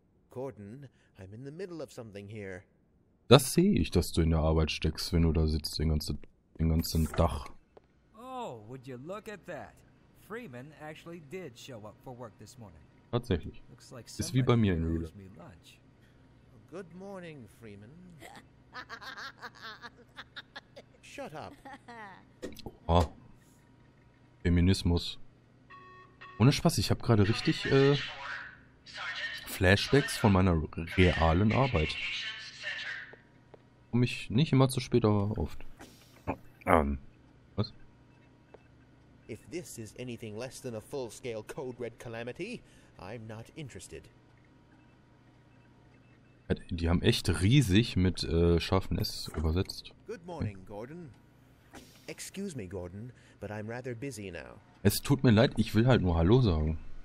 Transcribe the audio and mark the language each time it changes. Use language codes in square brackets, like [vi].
[en] Gordon, I'm in the middle of something here. [de] Das sehe ich, dass du in der Arbeit steckst, wenn du da sitzt, den ganzen Dach. [en] Oh, would you look at that? Freeman actually did show up for work this morning. [de] Tatsächlich. Ist wie bei mir in Rühle. [en] Good morning, Freeman. Shut up. Oh. Okay. Feminismus. [de] Ohne Spaß, ich habe gerade richtig Flashbacks von meiner realen Arbeit. Komme ich nicht immer zu spät, aber oft. Was? [en] If this is anything less than a full-scale Code Red Calamity, I'm not interested. [de] Die haben echt riesig mit scharfen S übersetzt. [en] Good morning, Gordon. Excuse me, Gordon, but I'm rather busy now. [de] Es tut mir leid, ich will halt nur Hallo sagen.